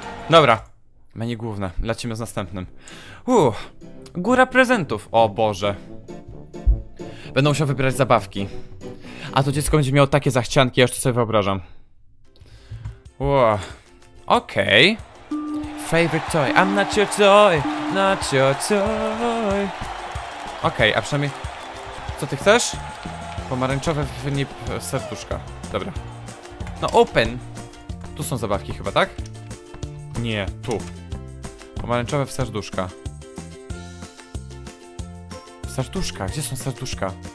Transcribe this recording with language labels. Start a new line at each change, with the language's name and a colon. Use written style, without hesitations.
Polish: Dobra, menu główne, lecimy z następnym. Góra prezentów, o Boże. Będą musiał wybierać zabawki. A to dziecko będzie miało takie zachcianki, ja już to sobie wyobrażam. Okej.
English: Favorite toy, I'm not your toy, not your toy.
Polish: Okej, a przynajmniej... Co ty chcesz? Pomarańczowe wynip serduszka. Dobra. No open! Tu są zabawki chyba, tak? Nie, tu. Pomarańczowe w serduszka. Serduszka, gdzie są serduszka?